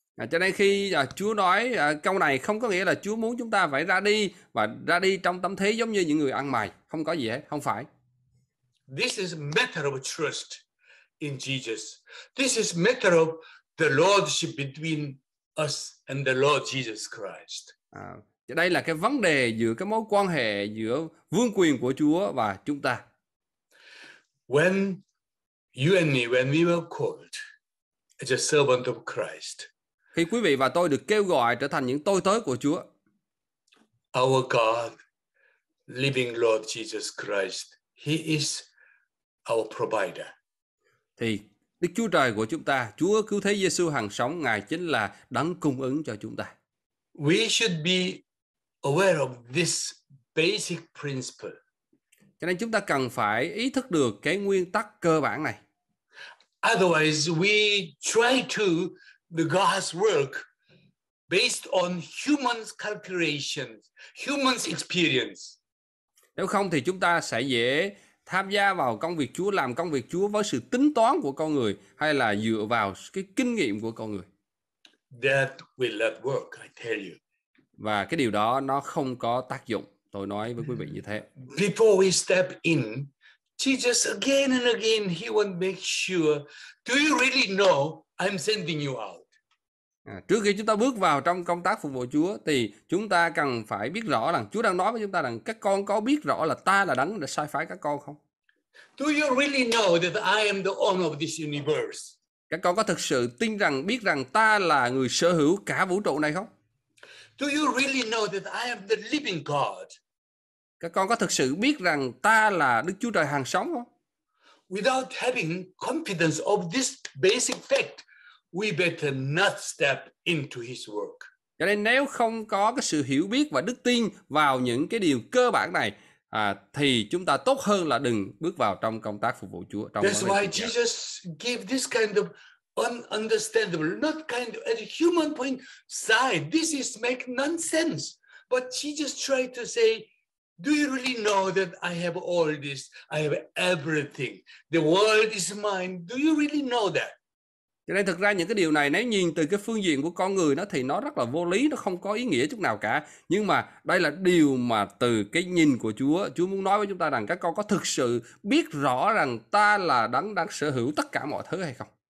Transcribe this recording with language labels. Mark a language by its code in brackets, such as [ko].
[vi] Cho nên khi Chúa nói câu này không có nghĩa là Chúa muốn chúng ta phải ra đi và ra đi trong tâm thế giống như những người ăn mày, không có gì hết, không phải. [en] This is a matter of trust in Jesus. This is a matter of the lordship between us and the Lord Jesus Christ. [vi] Đây là cái vấn đề giữa cái mối quan hệ giữa vương quyền của Chúa và chúng ta. [en] When you and me, when we were called as a servant of Christ, [vi] khi quý vị và tôi được kêu gọi trở thành những tôi tớ của Chúa, [en] our God, living Lord Jesus Christ, He is our provider. [vi] Thì Đức Chúa Trời của chúng ta, Chúa cứu thế Giêsu hằng sống, Ngài chính là đấng cung ứng cho chúng ta. [en] We should be aware of this basic principle. [vi] Cho nên chúng ta cần phải ý thức được cái nguyên tắc cơ bản này. [en] Otherwise, we try to the God's work based on human's calculations, human's experience. [vi] Nếu không thì chúng ta sẽ dễ tham gia vào công việc Chúa, làm công việc Chúa với sự tính toán của con người hay là dựa vào cái kinh nghiệm của con người. [en] That will not work, I tell you. [vi] Và cái điều đó nó không có tác dụng. Tôi nói với quý vị như thế. [en] Before we step in, Jesus again and again, he will make sure, do you really know I'm sending you out? [vi] Trước khi chúng ta bước vào trong công tác phục vụ Chúa thì chúng ta cần phải biết rõ rằng Chúa đang nói với chúng ta rằng các con có biết rõ là ta là đấng đã sai phái các con không? [en] Do you really know that I am the owner of this universe? [vi] Các con có thực sự tin rằng biết rằng ta là người sở hữu cả vũ trụ này không? [en] Do you really know that I am the living God? [vi] Các con có thực sự biết rằng ta là Đức Chúa Trời hằng sống không? [en] Without having confidence of this basic fact, we better not step into his work. [vi] Cho nên nếu không có cái sự hiểu biết và đức tin vào những cái điều cơ bản này, thì chúng ta tốt hơn là đừng bước vào trong công tác phục vụ Chúa. [en] That's why Jesus gave this kind of ununderstandable, not kind of at a human point side. This is make nonsense. But Jesus tried to say, do you really know that I have all this? I have everything. The world is mine. Do you really know that? [vi] Cho nên thực ra những cái điều này nếu nhìn từ cái phương diện của con người nó thì nó rất là vô lý, nó không có ý nghĩa chút nào cả. Nhưng mà đây là điều mà từ cái nhìn của Chúa, Chúa muốn nói với chúng ta rằng các con có thực sự biết rõ rằng ta là đấng đang sở hữu tất cả mọi thứ hay không?